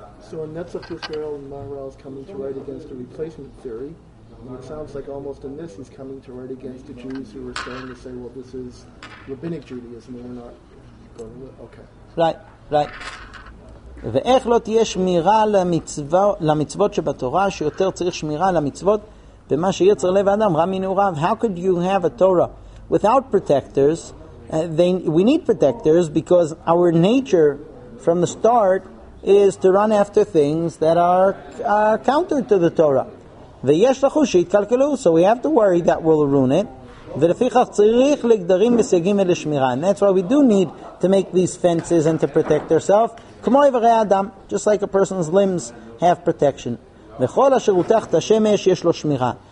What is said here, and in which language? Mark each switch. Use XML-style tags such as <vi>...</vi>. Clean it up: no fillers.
<en>So in Netzach Yisrael, Maharal is coming to write against a replacement theory. And it sounds like almost in this he's coming to write against the Jews who are starting to say, well, this is rabbinic Judaism, and we're not going to... Okay. Right, right.</en> <he>ואיך לא תהיה שמירה למצוות שבתורה שיותר צריך שמירה למצוות במה שיצר לב אדם רע מנעוריו.</he> <en>How could you have a Torah without protectors? We need protectors because our nature from the start is to run after things that are counter to the Torah.</en> <he>ויש לחו שיתקלקלו,</he> <en>so we have to worry that we'll ruin it.</en> <he>ולפיכך צריך לגדרים וסייגים לשמירה.</he> <en>And that's why we do need to make these fences and to protect ourselves.</en> <he>כמו איברי אדם,</he> <en>just like a person's limbs have protection.</en> <he>וכל אשר הותחת השמש יש לו שמירה.</he>